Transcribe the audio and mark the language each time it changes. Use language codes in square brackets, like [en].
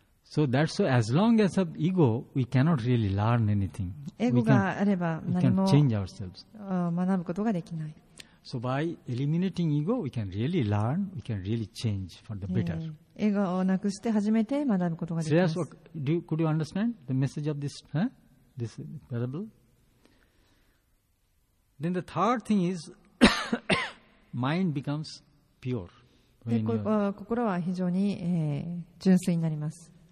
[en] So that's so as long as of ego, we cannot really learn anything. [ja] エゴがあれば何も [en] change ourselves. [ja] 学ぶことができない。 [en] So by eliminating ego, we can really learn, we can really change for the better. [ja] エゴをなくして初めて学ぶことができます。 So could you understand the message of this, this parable? [en] Then the third thing is, mind becomes pure. [ja] で、心は非常に、純粋になります。